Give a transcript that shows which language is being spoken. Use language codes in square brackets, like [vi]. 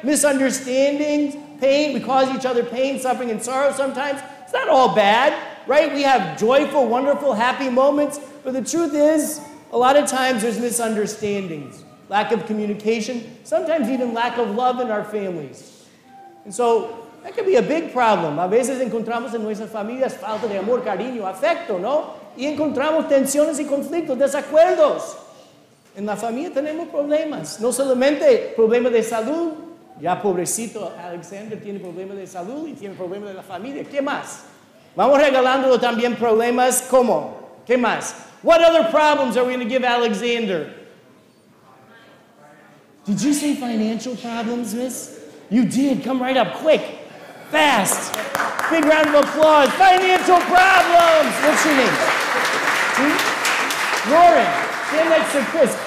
[en] Misunderstandings, pain, we cause each other pain, suffering, and sorrow sometimes. It's not all bad, right? We have joyful, wonderful, happy moments, but the truth is, a lot of times there's misunderstandings, lack of communication, sometimes even lack of love in our families. And so, that could be a big problem. [es] A veces encontramos en nuestras familias falta de amor, cariño, afecto, ¿no? Y encontramos tensiones y conflictos, desacuerdos. En la familia tenemos problemas. No solamente problemas de salud. Ya pobrecito Alexander tiene problemas de salud y tiene problemas de la familia. ¿Qué más? Vamos regalándolo también problemas. ¿Cómo? ¿Qué más? [en] What other problems are we going to give Alexander? Did you say financial problems, miss? You did. Come right up, quick. Fast. Big round of applause. Financial problems. What's your name? Lauren. Stand next to Chris.